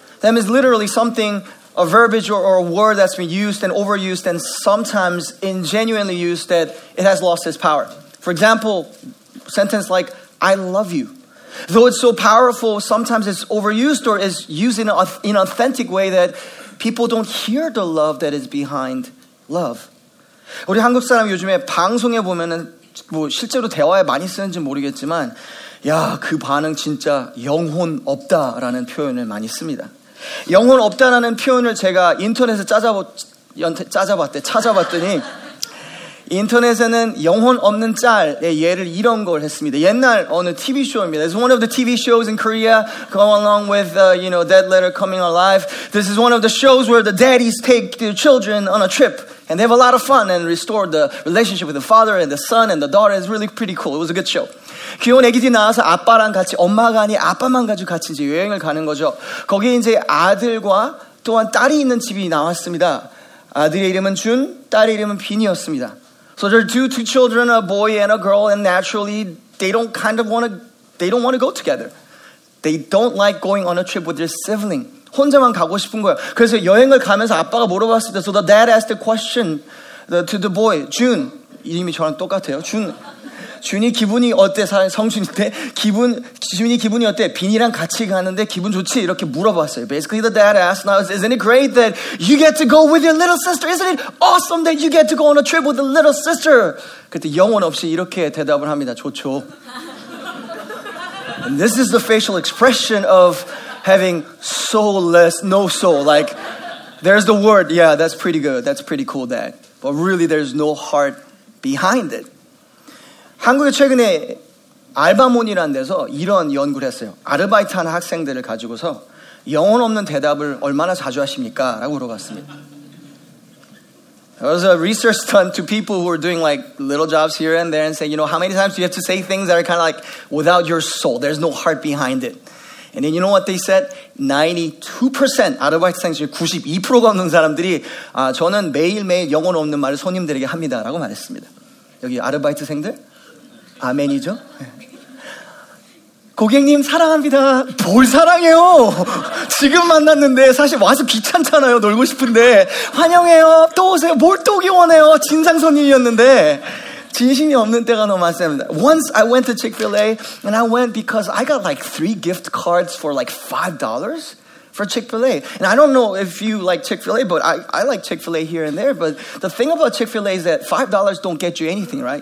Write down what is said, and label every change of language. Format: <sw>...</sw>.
<en>That means literally something, a verbiage or a word that's been used and overused and sometimes ingenuinely used that it has lost its power. For example, sentence like, I love you. Though it's so powerful, sometimes it's overused or is used in an inauthentic way that people don't hear the love that is behind love.</en> <ko>우리 한국 사람 요즘에 방송에 보면은 뭐 실제로 대화에 많이 쓰는지 모르겠지만 야, 그 반응 진짜 영혼 없다라는 표현을 많이 씁니다. 영혼 없다라는 표현을 제가 인터넷에 찾아봤더니 인터넷에는 영혼 없는 짤의 예를 이런 걸 했습니다. 옛날 어느 TV 쇼입니다.</ko> <en>It's one of the TV shows in Korea, going along with you know, Dead Letter Coming Alive. This is one of the shows where the daddies take their children on a trip, and they have a lot of fun and restore the relationship with the father and the son and the daughter. It's really pretty cool. It was a good show.</en> <ko>귀여운 애기들이 나와서 아빠랑 같이 엄마가 아니 아빠만 가지고 같이 이제 여행을 가는 거죠. 거기 이제 아들과 또한 딸이 있는 집이 나왔습니다. 아들의 이름은 준, 딸의 이름은 빈이었습니다.</ko> <en>So there are two children, a boy and a girl, and naturally they don't want to go together. They don't like going on a trip with their sibling.</en> <ko>혼자만 가고 싶은 거예요. 그래서 여행을 가면서 아빠가 물어봤을 때,</ko> <en>so the dad asked a question to the boy, Jun.</en> <ko>이름이 저랑 똑같아요.</ko> <en>Jun.</en> <ko>준이 기분이 어때? 성준인데 기분 준이 기분이 어때? 빈이랑 같이 가는데 기분 좋지? 이렇게 물어봤어요.</ko> <en>Basically the dad asked, now, isn't it great that you get to go with your little sister? Isn't it awesome that you get to go on a trip with the little sister?</en> <ko>그때 영혼 없이 이렇게 대답을 합니다. 좋죠.</ko> <en>And this is the facial expression of having soulless, no soul. Like, there's the word. Yeah, that's pretty good. That's pretty cool, dad. But really, there's no heart behind it.</en> <ko>한국에 최근에 알바몬이라는 데서 이런 연구를 했어요. 아르바이트하는 학생들을 가지고서 영혼 없는 대답을 얼마나 자주 하십니까? 라고 물어봤습니다.</ko> <en>There was a research done to people who were doing like little jobs here and there and saying, you know, how many times do you have to say things that are kind of like without your soul? There's no heart behind it. And then you know what they said?</en> <ko>92% 아르바이트 학생 중에 92%가 없는 사람들이 아, 저는 매일매일 영혼 없는 말을 손님들에게 합니다. 라고 말했습니다. 여기 아르바이트생들? 아멘이죠. 고객님 사랑합니다. 뭘 사랑해요. 지금 만났는데 사실 와서 귀찮잖아요. 놀고 싶은데. 환영해요. 또 오세요. 뭘 또 기원해요. 진상 손님이었는데. 진심이 없는 때가 너무 많습니다.</ko> <en>Once I went to Chick-fil-A and I went because I got like 3 gift cards for like $5. For Chick-fil-A. And I don't know if you like Chick-fil-A, but I like Chick-fil-A here and there. But the thing about Chick-fil-A is that $5 don't get you anything, right?</en>